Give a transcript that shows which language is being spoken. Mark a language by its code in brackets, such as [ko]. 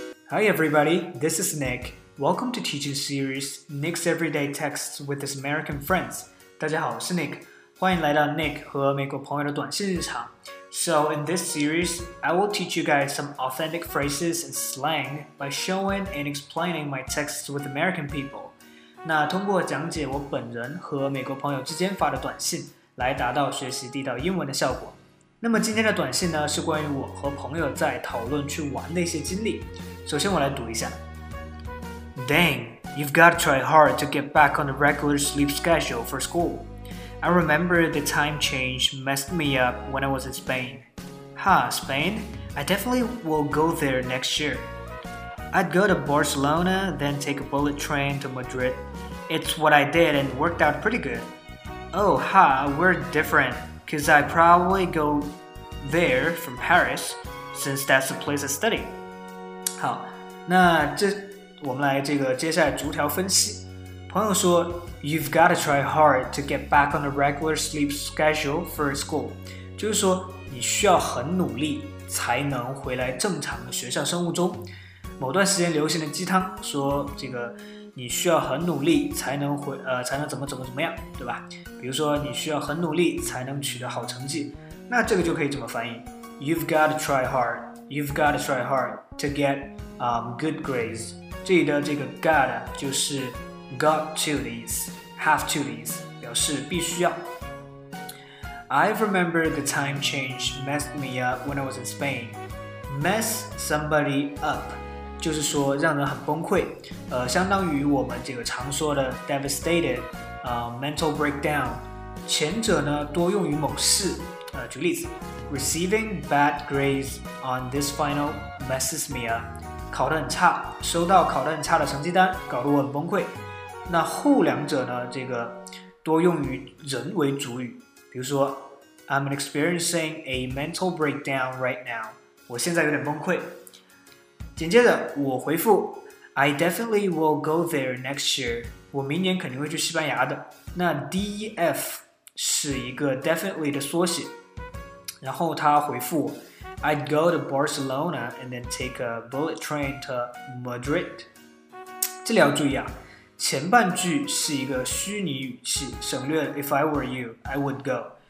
[en] Hi everybody, this is Nick. Welcome to teaching series Nick's Everyday Texts with his American Friends. [zh] 大家好，我是 Nick， 欢迎来到 Nick 和美国朋友的短信日常。 [en] So in this series, I will teach you guys some authentic phrases and slang by showing and explaining my texts with American people. [zh] 那通过讲解我本人和美国朋友之间发的短信，来达到学习地道英文的效果。那么今天的短信呢，是关于我和朋友在讨论去玩的一些经历。首先我来读一下。 [en] Dang, you've got to try hard to get back on the regular sleep schedule for school. I remember the time change messed me up when I was in Spain. Huh, Spain? I definitely will go there next year. I'd go to Barcelona, then take a bullet train to Madrid. It's what I did and worked out pretty good. Oh, ha, we're different. Because I probably go there from Paris, since that's the place I study. [zh] 好，那这我们来这个接下来逐条分析。朋友说 [en] ，You've got to try hard to get back on the regular sleep schedule for school. [zh] 就是说，你需要很努力才能回来正常的学校生物钟。某段时间流行的鸡汤说，这个你需要很努力才能回才能怎么样，对吧？比如说，你需要很努力才能取得好成绩，那这个就可以怎么翻译 [en] ？You've got to try hard. You've got to try hard to get good grades. [zh] 这里的这个 got 就是 [en] got to [zh] 的意思 ， [en] have to [zh] 的意思，表示必须要。 [en] I remember the time change messed me up when I was in Spain. Mess somebody up [zh] 就是说让人很崩溃，相当于我们这个常说的 devastated。 [en] Mental breakdown [zh] 前者呢多用于某事举例子 [en] Receiving bad grades on this final messes me up [zh] 考得很差收到考得很差的成绩单搞得我很崩溃那后两者呢这个多用于人为主语比如说 [en] I'm experiencing a mental breakdown right now [zh] 我现在有点崩溃紧接着我回复 [en] I definitely will go there next year [zh] 我明年肯定会去西班牙的。那 DEF 是一个 definitely 的缩写。然后他回复我 [en] ，I'd go to Barcelona and then take a bullet train to Madrid。 [zh] 这里要注意啊，前半句是一个虚拟语气，省略 [en] If I were you, I would go。